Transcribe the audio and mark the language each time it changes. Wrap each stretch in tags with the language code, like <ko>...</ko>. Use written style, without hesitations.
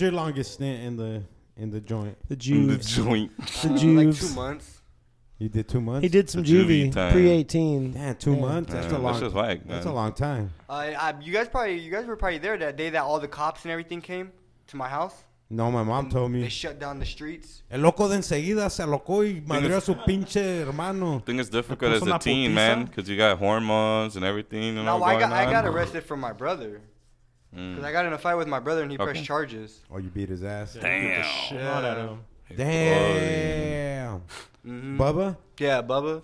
<en>your longest stint in the joint? The juve. The joint. The juve. Like 2 months. You did 2 months? He did some juvie. Pre-18. Damn, two months? That's a long time. You guys were probably there that day that all the cops and everything came to my house. No, my mom told me. They shut down the streets.</en> <es>El loco de enseguida se alocó y madrió a su pinche hermano.</es> <en>I think it's difficult as a teen, man, because you got hormones and everything. No, I got arrested for my brother. Because I got in a fight with my brother and he pressed charges. Oh, you beat his ass. Damn. Beat the shit out of him. Damn. Bubba? Yeah, Bubba.</en>